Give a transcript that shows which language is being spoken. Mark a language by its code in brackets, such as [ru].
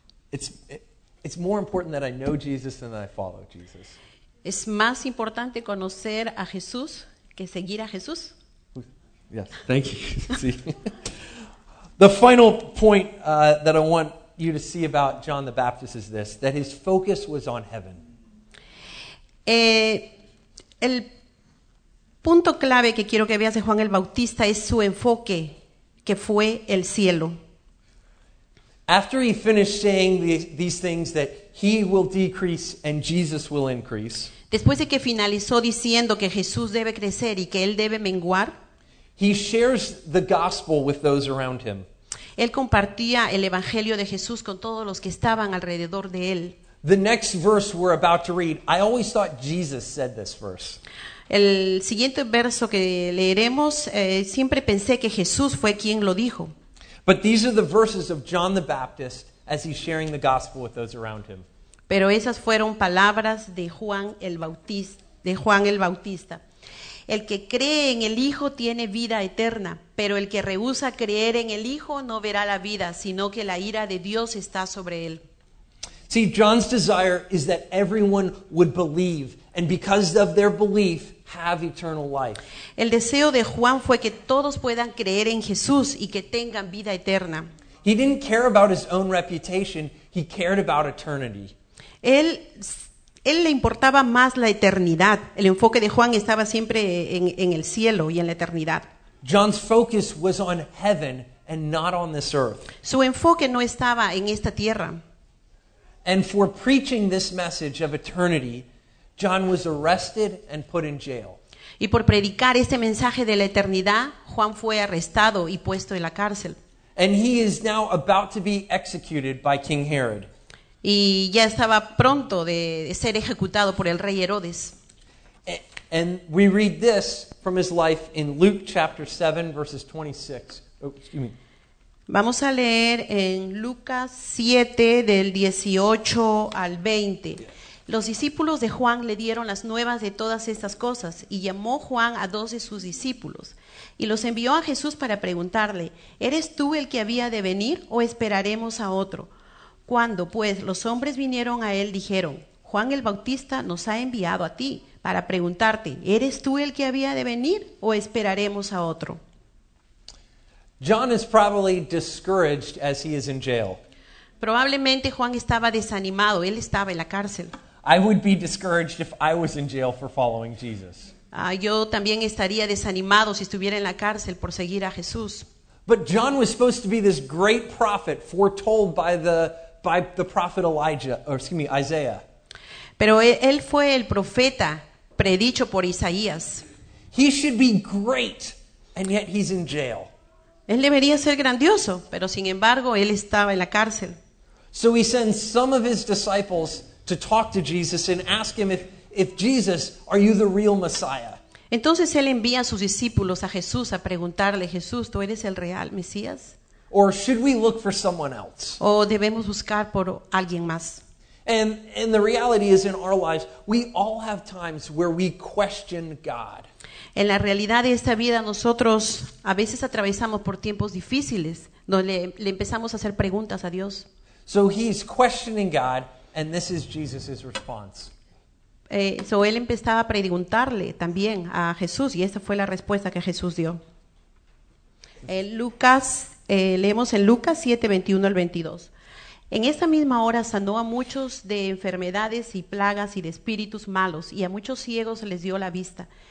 [en] It's more important that I know Jesus than that I follow Jesus. [es] Es más importante conocer a Jesús que seguir a Jesús. [en] Yes, thank you. The final point that I want you to see about John the Baptist is this, that his focus was on heaven. [es] El punto clave que quiero que veas de Juan el Bautista es su enfoque, que fue el cielo. [en] After he finished saying these things that he will decrease and Jesus will increase, [es] después de que finalizó diciendo que Jesús debe crecer y que él debe menguar, [en] he shares the gospel with those around him. [es] Él compartía el evangelio de Jesús con todos los que estaban alrededor de él. [en] The next verse we're about to read, I always thought Jesus said this verse. [es] El siguiente verso que leeremos, siempre pensé que Jesús fue quien lo dijo. [en] But these are the verses of John the Baptist as he's sharing the gospel with those around him. [es] Pero esas fueron palabras de Juan el Bautista. El que cree en el Hijo tiene vida eterna, pero el que rehúsa creer en el Hijo no verá la vida, sino que la ira de Dios está sobre él. [en] See, John's desire is that everyone would believe, and because of their belief, have eternal life. [es] El deseo de Juan fue que todos puedan creer en Jesús y que tengan vida eterna. [en] He didn't care about his own reputation, he cared about eternity. [es] Él le importaba más la eternidad. El enfoque de Juan estaba siempre en el cielo y en la eternidad. [en] John's focus was on heaven and not on this earth. [es] Su enfoque no estaba en esta tierra. [en] And for preaching this message of eternity, John was arrested and put in jail. [es] Y por predicar este mensaje de la eternidad, Juan fue arrestado y puesto en la cárcel. [en] And he is now about to be executed by King Herod. [es] Y ya estaba pronto de ser ejecutado por el rey Herodes. [en] And we read this from his life in Luke chapter 7, verses 26. Oh, excuse me. [es] Vamos a leer en Lucas 7, del 18 al 20. Los discípulos de Juan le dieron las nuevas de todas estas cosas, y llamó Juan a dos de sus discípulos, y los envió a Jesús para preguntarle, ¿eres tú el que había de venir, o esperaremos a otro? Cuando, pues, los hombres vinieron a él, dijeron, Juan el Bautista nos ha enviado a ti, para preguntarte, ¿eres tú el que había de venir, o esperaremos a otro? [en] John is probably discouraged as he is in jail. [es] Probablemente Juan estaba desanimado, él estaba en la cárcel. [en] I would be discouraged if I was in jail for following Jesus. [es] Yo también estaría desanimado si estuviera en la cárcel por seguir a Jesús. [en] But John was supposed to be this great prophet foretold by the prophet Elijah, or excuse me, Isaiah. [es] Pero él fue el profeta predicho por Isaías. [en] He should be great, and yet he's in jail. [es] Él debería ser grandioso, pero sin embargo, él estaba en la cárcel. [en] So he sends some of his disciples to talk to Jesus and ask him if Jesus, are you the real Messiah? [es] Entonces él envía a sus discípulos a Jesús a preguntarle, Jesús, ¿tú eres el real Mesías? [en] Or should we look for someone else? [es] ¿O debemos buscar por alguien más? [en] And the reality is, in our lives, we all have times where we question God. [es] En la realidad de esta vida, nosotros a veces atravesamos por tiempos difíciles donde le empezamos a hacer preguntas a Dios. [en] So he's questioning God, and this is Jesus' response. So [es] él empezaba a preguntarle también a Jesús, y esta fue la respuesta que Jesús dio. Leemos en Lucas 7, 21 al 22. En esa misma hora sanó a muchos de enfermedades y plagas y de espíritus malos, y a muchos ciegos les dio la vista.